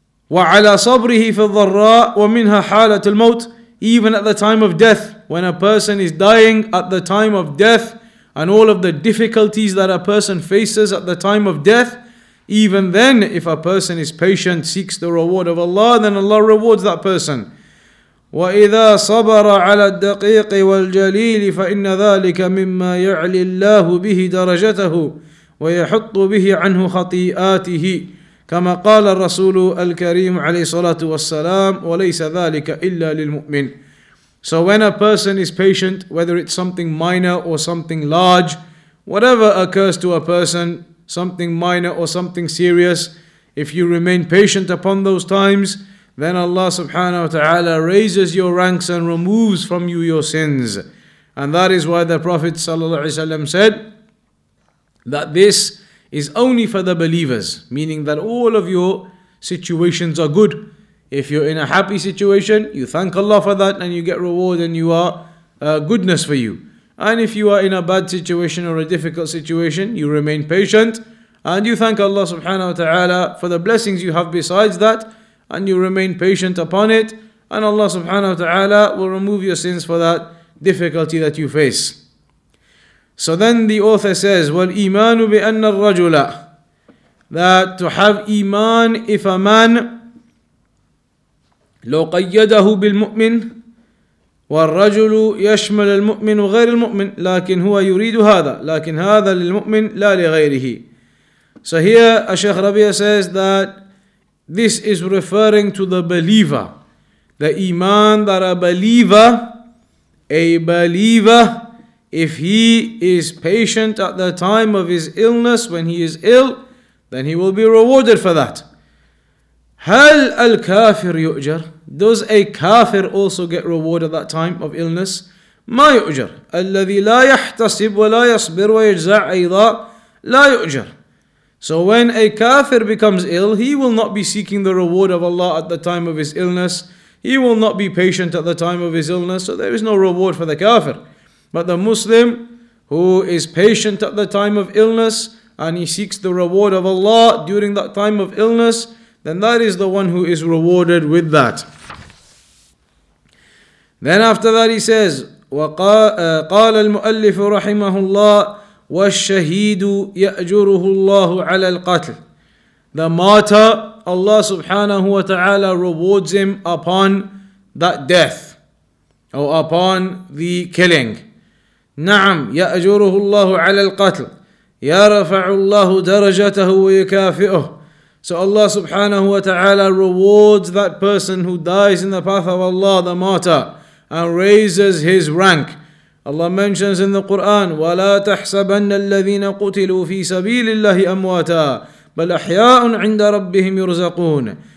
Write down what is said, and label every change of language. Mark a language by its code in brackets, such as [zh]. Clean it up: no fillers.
[ar] وَعَلَى صَبْرِهِ فِي الضَّرَّاءِ وَمِنْهَا حَالَةِ الْمَوْتِ. [en] Even at the time of death, when a person is dying at the time of death, and all of the difficulties that a person faces at the time of death, even then, if a person is patient, seeks the reward of Allah, then Allah rewards that person. [ar] وَإِذَا صَبَرَ عَلَى الدَّقِيقِ وَالْجَلِيلِ فَإِنَّ ذَلِكَ مِمَّا يَعْلِي اللَّهُ بِهِ دَرَجَتَهُ وَيَحُطُّ بِهِ عَنْهُ خَطِيئَاتِهِ كما قال الرسول الكريم عليه الصلاة والسلام وليس ذلك إلا للمؤمن. [en] So when a person is patient, whether it's something minor or something large, whatever occurs to a person, something minor or something serious, if you remain patient upon those times, then Allah subhanahu wa ta'ala raises your ranks and removes from you your sins. And that is why the Prophet sallallahu alaihi wasallam said that this is only for the believers, meaning that all of your situations are good. If you're in a happy situation, you thank Allah for that and you get reward and you are goodness for you. And if you are in a bad situation or a difficult situation, you remain patient and you thank Allah subhanahu wa ta'ala for the blessings you have besides that, and you remain patient upon it, and Allah subhanahu wa ta'ala will remove your sins for that difficulty that you face. So then the author says, [ar] وَالْإِيمَانُ بِأَنَّ الرَّجُلَ, [en] that to have iman, if a man, [ar] لو قيده بالمؤمن والرجل يشمل المؤمن وغير المؤمن لكن هو يريد هذا لكن هذا للمؤمن لا لغيره. [en] So here Shaykh Rabee says that this is referring to the believer. The iman that a believer, if he is patient at the time of his illness, when he is ill, then he will be rewarded for that. [ar] هل الكافر يؤجر? [en] Does a kafir also get reward at that time of illness? [ar] ما يؤجر? الذي لا يحتسب ولا يصبر ويجزع أيضا لا يؤجر. [en] So when a kafir becomes ill, he will not be seeking the reward of Allah at the time of his illness. He will not be patient at the time of his illness. So there is no reward for the kafir. But the Muslim who is patient at the time of illness and he seeks the reward of Allah during that time of illness, then that is the one who is rewarded with that. Then after that he says, [ar] وَقَالَ الْمُؤَلِّفُ رَحِمَهُ اللَّهُ وَالشَّهِيدُ يَأْجُرُهُ اللَّهُ عَلَى الْقَتْلِ. [en] The martyr, Allah subhanahu wa ta'ala rewards him upon that death, or upon the killing. [ar] نعم يأجره الله على القتل يرفع الله درجته ويكافئه. [en] So Allah subhanahu wa ta'ala rewards that person who dies in the path of Allah, the martyr, and raises his rank. Allah mentions in the Quran, [ar] وَلَا تَحْسَبَنَّ الَّذِينَ قُتِلُوا فِي سَبِيلِ اللَّهِ أَمْوَاتًا بَلْ أَحْيَاءٌ عِنْدَ رَبِّهِمْ يُرْزَقُونَ.